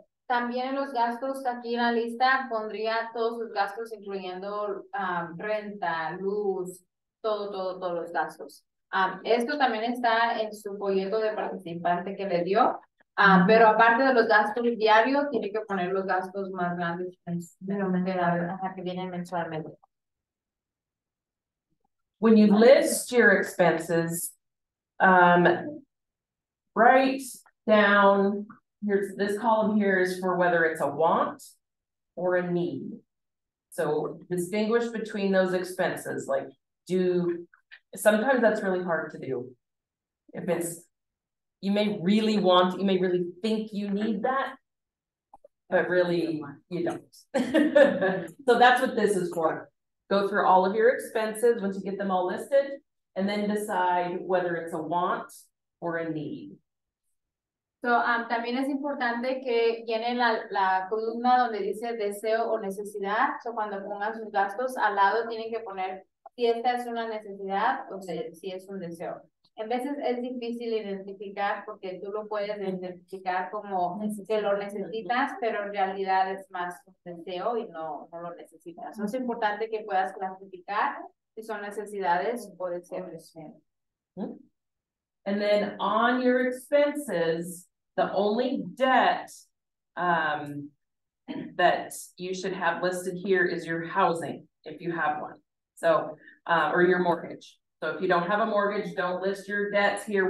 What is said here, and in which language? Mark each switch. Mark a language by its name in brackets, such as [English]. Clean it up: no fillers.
[Spanish] También en los gastos, aquí en la lista, pondría todos los gastos, incluyendo renta, luz, todos los gastos. Esto también está en su folleto de participante que le dio. Pero aparte de los gastos diarios, tiene que poner los gastos más grandes que vienen mensualmente. [English] When you list your expenses, write down here, this column here is for whether it's a want or a need. So distinguish between those expenses. Like, sometimes that's really hard to do. If it's, you may really want, you may really think you need that, but really you don't. So that's what this is for. Go through all of your expenses once you get them all listed, and then decide whether it's a want or a need. [Spanish] So, también es importante que llenen la columna donde dice deseo o necesidad. So, cuando pongan sus gastos, al lado tienen que poner si esta es una necesidad o si es un deseo. En veces es difícil identificar porque tú lo puedes identificar como que lo necesitas, pero en realidad es más un deseo y no lo necesitas. So, es importante que puedas clasificar si son necesidades o deseos. [English] And then on your expenses, the only debt that you should have listed here is your housing, if you have one. So, or your mortgage. So if you don't have a mortgage, don't list your debts here.